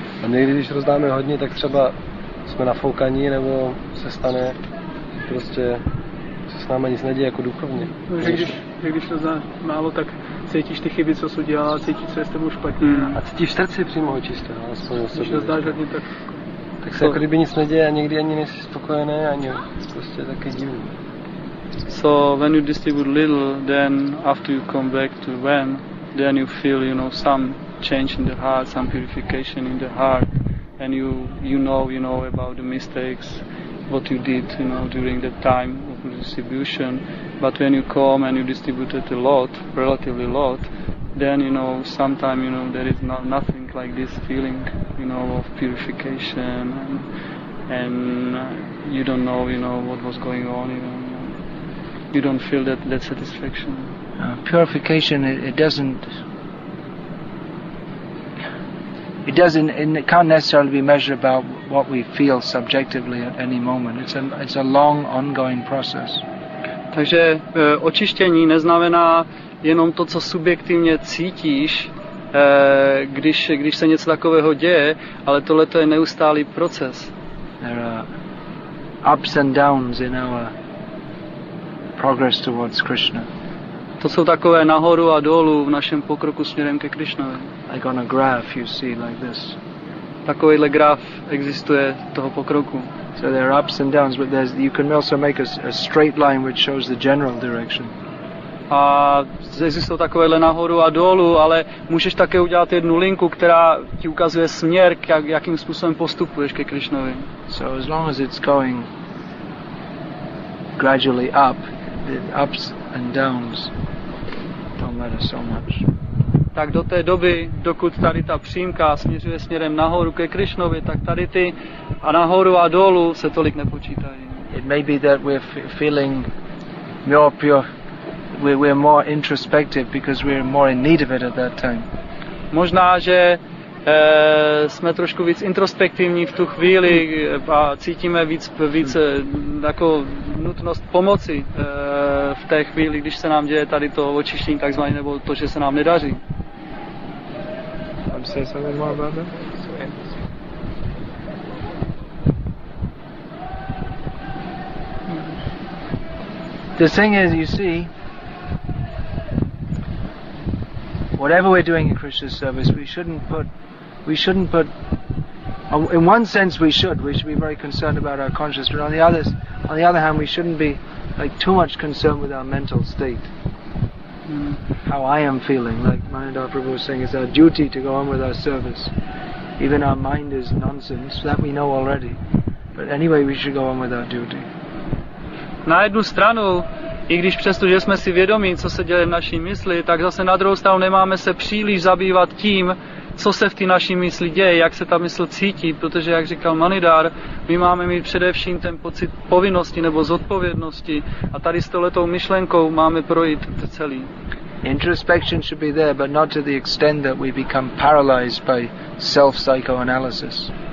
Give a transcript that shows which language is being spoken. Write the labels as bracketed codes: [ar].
[cs] A někdy, když rozdáme hodně, tak třeba jsme nafoukaní, nebo se stane, prostě se s námi nic neděje jako duchovně. No, když rozdáme málo, tak cítíš ty chyby, co jsi udělal, cítíš, co je s tebou špatně. A cítíš v srdci přímo očisté, alespoň osobně. Když rozdáš hodně, tak... Tak se jako kdyby nic neděje a někdy ani nejsi spokojený, ani prostě taky divný. [en] So when you distribute little, then after you come back to when, then you feel, you know, some change in the heart, some purification in the heart, and you know about the mistakes, what you did, you know, during the time of distribution. But when you come and you distributed a lot, relatively lot, then, you know, sometime, you know, there is nothing like this feeling, you know, of purification, and you don't know, you know, what was going on, you know. you don't feel that satisfaction. Purification, it can't necessarily be measured about what we feel subjectively at any moment. It's a long ongoing process. [cs] Takže očištění neznamená jenom to, co subjektivně cítíš, když se něco takového děje, ale tohle to je neustálý proces. [en] There are ups and downs in our progress towards Krishna. [cs] To jsou takové nahoru a dolů v našem pokroku směrem ke Krishnovi. [en] Like on a graph you see like this. [cs] Takovýhle graf existuje toho pokroku. [en] So there are ups and downs, but you can also make a straight line which shows the general direction. [cs] A existují takovéhle nahoru a dolů, ale můžeš také udělat jednu linku, která ti ukazuje směr, jakým způsobem postupuješ ke Krishnovi. [en] So as long as it's going gradually up, the ups and downs don't matter so much. [cs] Tak do té doby, dokud tady ta přímka směřuje směrem nahoru ke Krishnovi, tak tady ty a nahoru a dolů se tolik nepočítají. [en] It may be that we're feeling more pure, we're more introspective because we're more in need of it at that time. [cs] Možná, že jsme trošku víc introspektivní v tu chvíli a cítíme víc jako nutnost pomoci v té chvíli, když se nám děje tady to očištění takzvané, nebo to, že se nám nedaří. [en] Can you say something more about that? The thing is, you see, whatever we're doing in Krishna's service, we shouldn't put, in one sense we should be very concerned about our consciousness, but on the other hand, we shouldn't be like too much concerned with our mental state. How I am feeling, like Mahendra Prabhu was saying, it's our duty to go on with our service. Even our mind is nonsense, that we know already. But anyway, we should go on with our duty. [cs] Na jednu stranu, i když přesto, že jsme si vědomí, co se děje v naší mysli, tak zase na druhou stranu nemáme se příliš zabývat tím, co se v té naší mysli děje, jak se ta mysl cítí, protože, jak říkal Manidar, my máme mít především ten pocit povinnosti nebo zodpovědnosti a tady s touhletou myšlenkou máme projít celý. [en] Introspection should be there, but not to the extent that we become paralyzed by self-psychoanalysis.